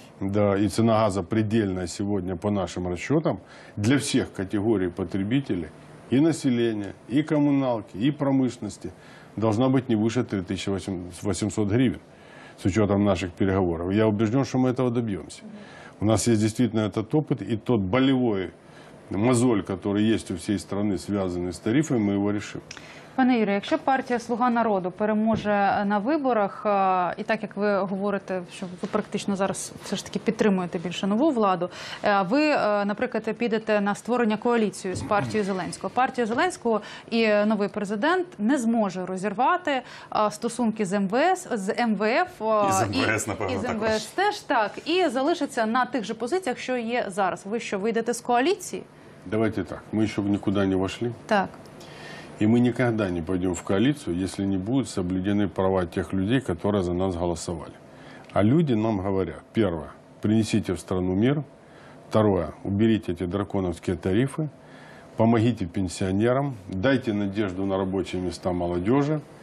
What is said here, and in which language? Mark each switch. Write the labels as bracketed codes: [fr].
[ru] Да, и цена газа предельная сегодня по нашим расчетам для всех категорий потребителей и населения, и коммуналки, и промышленности должна быть не выше 3800 гривен с учетом наших переговоров. Я убежден, что мы этого добьемся. У нас есть действительно этот опыт и тот болевой мозоль, который есть у всей страны, связанный с тарифами, мы его решим. [uk] Пане Юрію, якщо партія «Слуга народу» переможе на виборах, і так, як ви говорите, що ви практично зараз все ж таки підтримуєте більше нову владу, ви, наприклад, підете на створення коаліції з партією Зеленського. Партія Зеленського і новий президент не зможе розірвати стосунки з МВС, з МВФ. І з МВС, напевно, також. І з МВС теж так. І залишиться на тих же позиціях, що є зараз. Ви що, вийдете з коаліції? Давайте так. Ми ще нікуди не війшли. Так. [ru] И мы никогда не пойдем в коалицию, если не будут соблюдены права тех людей, которые за нас голосовали. А люди нам говорят, первое, принесите в страну мир. Второе, уберите эти драконовские тарифы. Помогите пенсионерам. Дайте надежду на рабочие места молодежи.